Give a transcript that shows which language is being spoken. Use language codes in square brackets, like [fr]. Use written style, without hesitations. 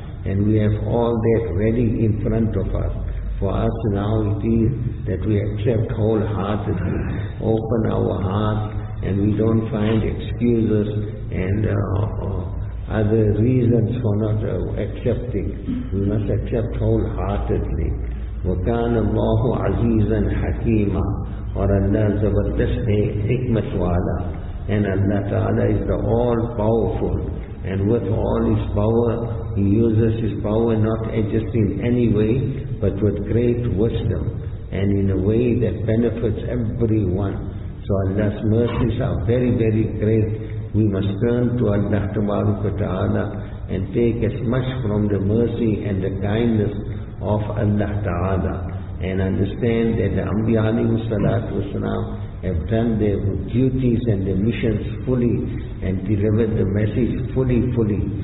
[en] And we have all that ready in front of us. For us now it is that we accept wholeheartedly, open our hearts, and we don't find excuses and other reasons for not accepting. We must accept wholeheartedly. [ar] وَكَانَ اللَّهُ عَزِيزًا حَكِيمًا. [ur] Or Allah زبردست ہے حکمت والا. [en] And Allah Ta'ala is the all-powerful. And with all His power, He uses His power not just in any way, but with great wisdom, and in a way that benefits everyone. So Allah's mercies are very, very great. We must turn to Allah Tabaraka Ta'ala and take as much from the mercy and the kindness of Allah Ta'ala, and understand that the Anbiya alayhi salatu wasalam have done their duties and their missions fully and delivered the message fully, fully.